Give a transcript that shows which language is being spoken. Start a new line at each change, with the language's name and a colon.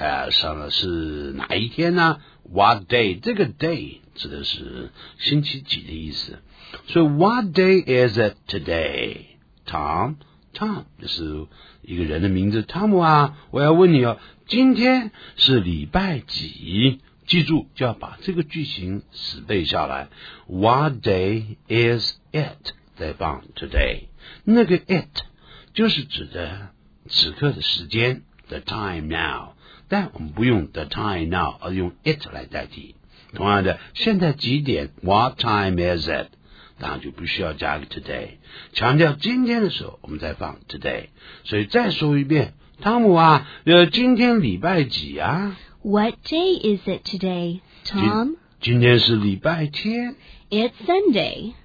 Chinese: 什么是哪一天呢 what day 这个 day 指的是星期几的意思，所以
English: what day is it today
Chinese: Tom Tom 就是一个人的名字 Tom 啊，我要问你哦，今天是礼拜几，记住就要把这个句型死背下来。
English: What day is it?
Chinese: 再放
English: today.
Chinese: 那个 it 就是指的此刻的时间
English: the time now.
Chinese: 但我们不用 the time now, 而用 it 来代替。同样的现在几点 ,
English: what time is it?
Chinese: 当然就不需要加个 today。强调今天的时候我们再放 today。所以再说一遍汤姆啊，今天礼拜几啊
English: ?What day is it today, Tom?
Chinese: 今天是礼拜天。
English: It's Sunday.